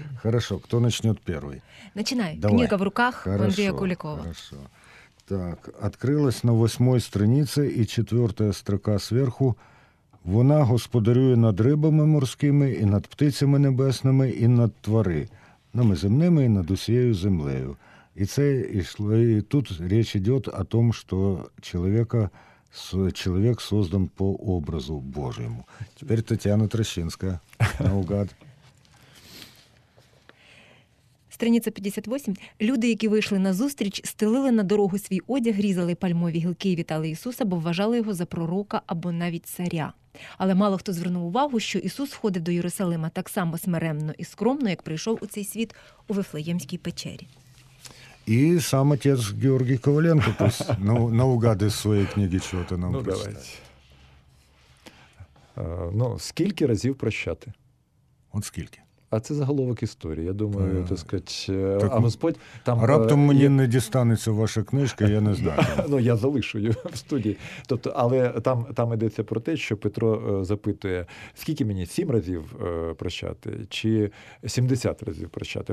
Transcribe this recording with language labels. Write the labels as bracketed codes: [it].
[ru] Хорошо, кто начнет первый? Начинай. Давай. Книга в руках Андрея Куликова. Хорошо. Так, открылась на восьмой странице и четвертая строка сверху. [uk] «Вона господарює над рибами морськими і над птицями небесними і над твари, над земними і над усією землею». І це йшло, і тут [ru] речь йде о том, що человек создан по образу Божьему. Теперь Татьяна Трощинская, наугад. [uk] Страниця 58. Люди, які вийшли на зустріч, стелили на дорогу свій одяг, різали пальмові гілки і вітали Ісуса, бо вважали його за пророка або навіть царя. Але мало хто звернув увагу, що Ісус входить до Єрусалима так само смиренно і скромно, як прийшов у цей світ у Вифлеємській печері. [ru] И сам отец Георгий Коваленко пусть наугад из своей книги чего-то нам прочитает. Ну, давайте. [uk] Ну, скільки разів прощати? От скільки? А це заголовок історії, я думаю, так сказать. А Господь там... Раптом мені не дістанеться ваша книжка, я не знаю. Ну, я залишу її в студії. Тобто, але там йдеться про те, що Петро запитує, скільки мені 7 разів прощати, чи 70 разів прощати.